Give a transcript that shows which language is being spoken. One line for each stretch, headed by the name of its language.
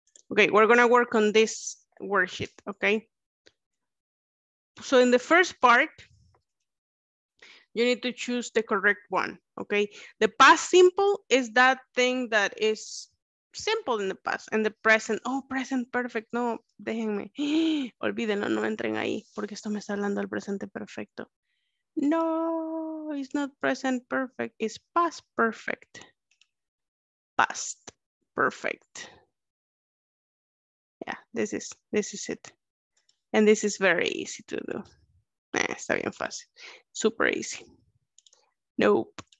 English: Okay, we're gonna work on this worksheet, okay? So in the first part, you need to choose the correct one, okay? The past simple is that thing that is simple in the past, and the present, oh, present perfect, no,
Spanish: déjenme. Olvídenlo, no entren ahí, porque esto me está hablando del presente perfecto.
English: No, it's not present perfect, it's past perfect. Past perfect. Yeah, this is it. And this is very easy to do.
Spanish: Está bien fácil.
English: Super easy. Nope.